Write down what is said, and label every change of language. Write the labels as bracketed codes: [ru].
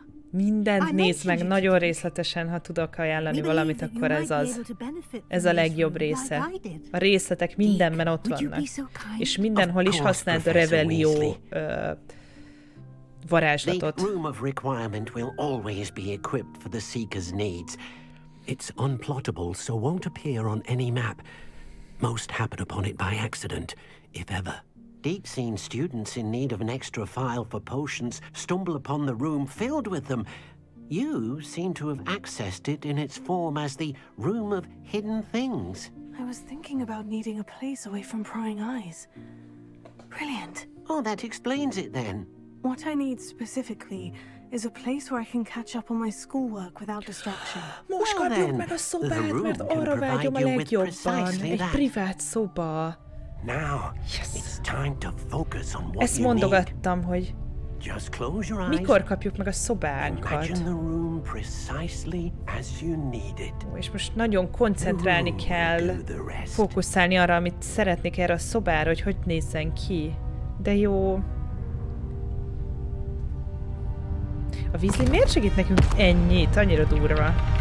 [hu] Mindent nézd meg nagyon részletesen, ha tudok ajánlani valamit, akkor ez az. Ez a legjobb része. A részletek mindenben ott vannak. És mindenhol is használd a Revelio varázslatot. [en] The room of requirement will always be equipped for the seeker's needs. It's unplottable, so won't appear on any map. Most happen upon it by accident, if ever. Deke seen students in need of an extra file for potions stumble upon the room filled with them. You seem to have accessed it in its form as the room of hidden things. I was thinking about needing a place away from prying eyes. Brilliant. Oh, that explains it then. What I need specifically is a place where I can catch up on my schoolwork without distraction. [hu] Most kapjuk meg a szobát, mert arra vágyom a legjobban. Egy privát szoba. [en] Now, yes. It's time to focus on what [hu] ezt mondogattam, [en] need. [hu] Hogy [en] just close your eyes. [hu] Mikor kapjuk meg a szobánkat. [en] Imagine the room precisely as you need it. [hu] Ó, és most nagyon koncentrálni kell, fókuszálni arra, amit szeretnék erre a szobára, hogy nézzen ki. De jó... A Weasley miért segít nekünk ennyit? Annyira durva.